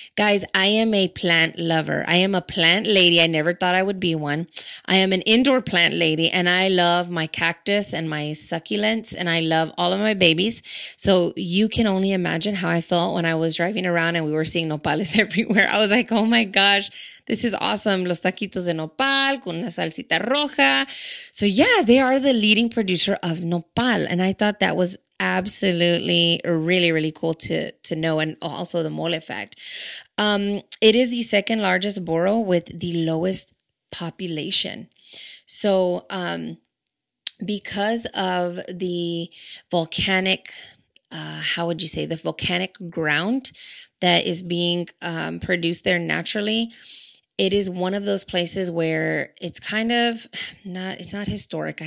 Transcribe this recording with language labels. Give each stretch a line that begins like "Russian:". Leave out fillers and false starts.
English: Guys, I am a plant lover. I am a plant lady. I never thought I would be one. I am an indoor plant lady and I love my cactus and my succulents and I love all of my babies. So you can only imagine how I felt when I was driving around and we were seeing nopales everywhere. I was like, oh my gosh, this is awesome.
Spanish: Los taquitos de nopal con una salsita roja.
English: So yeah, they are the leading producer of nopal. And I thought that was absolutely really, really cool to know, and also the mole fact. It is the second largest borough with the lowest population. So because of the volcanic, the volcanic ground that is being produced there naturally, it is one of those places where it's kind of not, it's not historic.